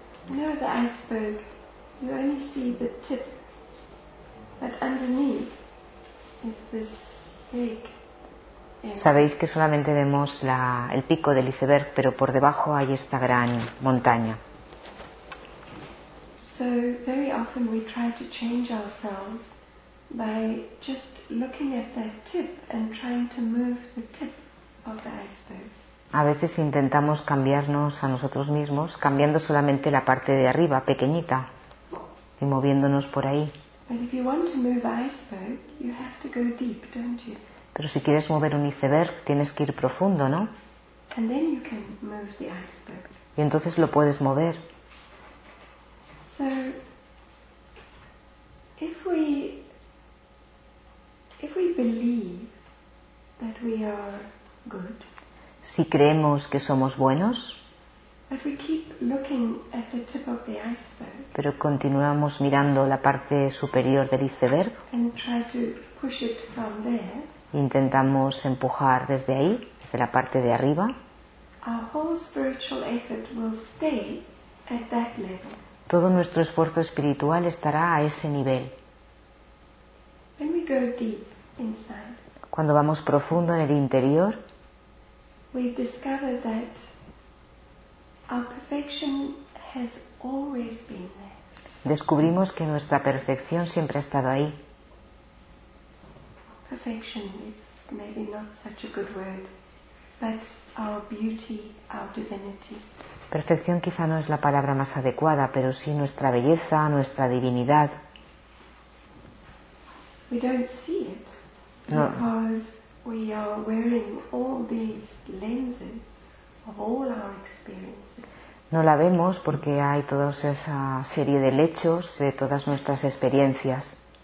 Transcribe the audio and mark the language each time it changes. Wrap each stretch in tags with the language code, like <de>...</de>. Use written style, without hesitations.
<en>No, the iceberg, you only see the tip, but underneath is this big.</en> <es>Sabéis que solamente vemos el pico del iceberg, pero por debajo hay esta gran montaña.</es> <en>So very often we try to change ourselves by just looking at that tip and trying to move the tip of the iceberg.</en> <es>A veces intentamos cambiarnos a nosotros mismos, cambiando solamente la parte de arriba, pequeñita, y moviéndonos por ahí. Pero si quieres mover un iceberg, tienes que ir profundo, ¿no?</es> <en>And then you can move the iceberg.</en> <es>Y entonces lo puedes mover.</es> <en>So, if we If we believe that we are good,</en> <es>si creemos que somos buenos,</es> <en>if we keep looking at the tip of the iceberg,</en> <es>pero continuamos mirando la parte superior del iceberg</es> <en>and try to push it from there,</en> <es>intentamos empujar desde ahí, desde la parte de arriba,</es> <en>our whole spiritual effort will stay at that level.</en> <es>Todo nuestro esfuerzo espiritual estará a ese nivel.</es> <en>When we go deep inside,</en> <es>cuando vamos profundo en el interior,</es> <en>we discover that our perfection has always been there.</en> <es>Descubrimos que nuestra perfección siempre ha estado ahí.</es> <en>Perfection is maybe not such a good word, but our beauty, our divinity.</en> <es>Perfección quizá no es la palabra más adecuada, pero sí nuestra belleza, nuestra divinidad.</es> <en>We don't see it because we are wearing all these lenses of all our experiences.</en> <es>No la vemos porque hay toda esa serie de lentes de todas nuestras experiencias.</es>